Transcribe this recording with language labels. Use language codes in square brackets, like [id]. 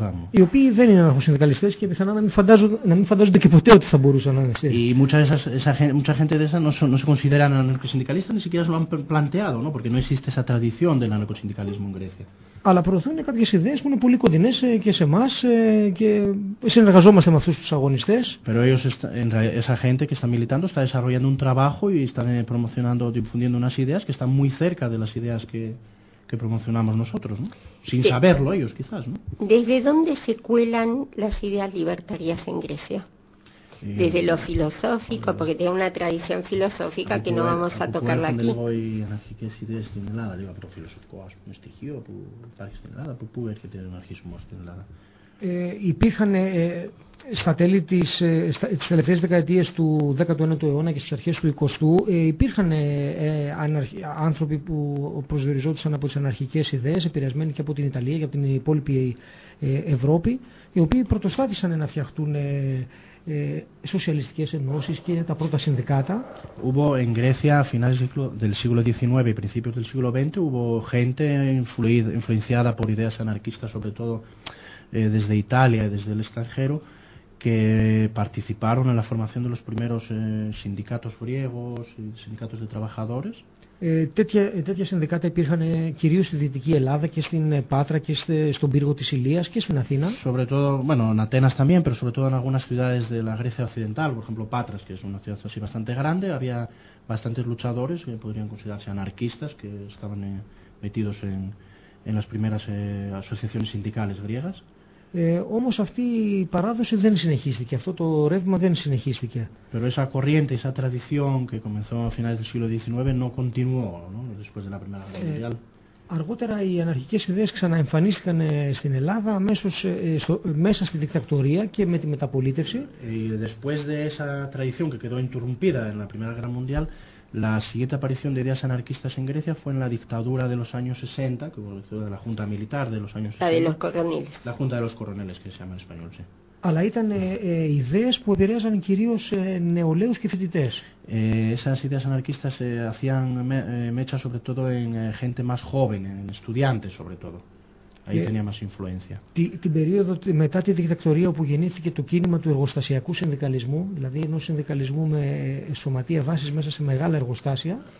[el] Οι οποίοι δεν είναι αναρχοσυνδικαλιστές και πιθανά να μην φαντάζονται και ποτέ ότι θα μπορούσαν να είναι σε. [es] Y mucha gente de esa no se consideran anarcosindicalistas, ni siquiera lo han planteado, ¿no? Porque no existe esa tradición del anarcosindicalismo en Grecia. [el] Αλλά προωθούν κάποιες ιδέες που είναι πολύ κοντινές και σε εμάς και συνεργαζόμαστε με αυτούς τους αγωνιστές. [es] Pero ellos, esa gente que está militando, está desarrollando un trabajo y están promocionando, difundiendo unas ideas que están muy cerca de las ideas que promocionamos nosotros, ¿no? Sin saberlo ellos, quizás, ¿no? ¿Desde dónde se cuelan las ideas libertarias en Grecia? ¿Desde lo filosófico? Porque tiene una tradición filosófica que no vamos a tocarla aquí. ¿Cómo hay anarquistas ideas en Ελλάδα? Digo, pero filosófico, ¿has un estigio? ¿Puedes tener nada? ¿Puedes que tener anarquismo en Ελλάδα? [el] Υπήρχαν στα τέλη της τελευταίας δεκαετίας του 19ου αιώνα και στις αρχές του 20ου υπήρχαν άνθρωποι που προσδιοριζόντουσαν από τις αναρχικές ιδέες, επηρεασμένοι και από την Ιταλία και από την υπόλοιπη Ευρώπη, οι οποίοι πρωτοστάτησαν να φτιαχτούν σοσιαλιστικές ενώσεις και τα πρώτα συνδικάτα. [es] Hubo en Grecia a finales del siglo XIX y principios del siglo XX hubo gente influenciada por ideas anarquistas, sobre todo desde Italia y desde el extranjero, que participaron en la formación de los primeros sindicatos griegos, sindicatos de trabajadores. [el] Τέτοια συνδικάτα υπήρχαν κυρίως στη Δυτική Ελλάδα και στην Πάτρα και στον πύργο της Ηλίας και στην Αθήνα. [es] Sobre todo, bueno, en Atenas también, pero sobre todo en algunas ciudades de la Grecia Occidental, por ejemplo Patras, que es una ciudad así bastante grande, había bastantes luchadores que podrían considerarse anarquistas que estaban metidos en las primeras asociaciones sindicales griegas. [el] Όμως αυτή η παράδοση δεν συνεχίστηκε, αυτό το ρεύμα δεν συνεχίστηκε. [es] Pero esa corriente, esa tradición que comenzó a finales del siglo XIX no continuó, ¿no? Después de la Primera Guerra Mundial. [el] Αργότερα οι αναρχικές ιδέες ξαναεμφανίστηκαν στην Ελλάδα μέσα στη δικτακτορία και με τη μεταπολίτευση. [es] Y después de esa tradición que quedó interrumpida en la Primera Guerra Mundial, la siguiente aparición de ideas anarquistas en Grecia fue en la dictadura de los años 60, que fue la Junta Militar de los años 60. La de los coroneles. La Junta de los Coroneles, que se llama en español, sí. [el] Αλλά ήταν ιδέες που επηρέαζαν κυρίως νεολαίους και φοιτητές. [es] Esas ideas anarquistas hacían mecha sobre todo en gente más joven, en estudiantes sobre todo. Ahí teníamos influencia. [el] Την περίοδο μετά τη δικτατορία όπου γεννήθηκε το κίνημα του εργοστασιακού συνδικαλισμού, δηλαδή ενός συνδικαλισμού με σωματεία βάσης μέσα σε μεγάλα εργοστάσια.